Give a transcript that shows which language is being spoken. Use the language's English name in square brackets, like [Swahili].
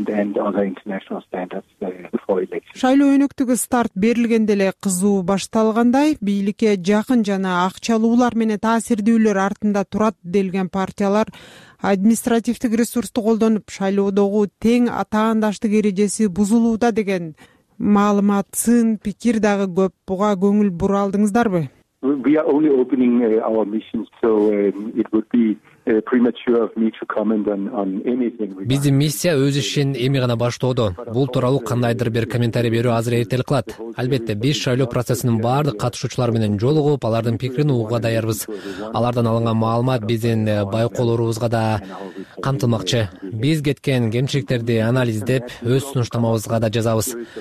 [Kyrgyz] Шайлоо өнөктүгү старт берилгенде эле кызуу башталгандай, бийликке жакын жана акчалуулар менен таасирдүүлөр артында турат делген партиялар административдик ресурсту колдонуп шайлоодогу тең атаандаштык эрежеси бузулууда деген маалымат, сын, пикир дагы көп. Буга көңүл бура алдыңыздарбы? [English] We are only opening our missions, so it would be premature of me to comment on anything. [Kyrgyz] Биздин миссия өз ишин эми гана баштоодо. Бул тууралуу кандайдыр бир комментарий берүү азыр эртелик кылат. Албетте, биз шайлоо процессинин баардык катышуучулар менен жолугуп, алардын пикирин угууга даярбыз. Алардан алынган маалымат биздин байкоолорубузга да камтылмакчы. Биз кеткен кемчиликтерди анализдеп, өз сунуштамабызга да жазабыз.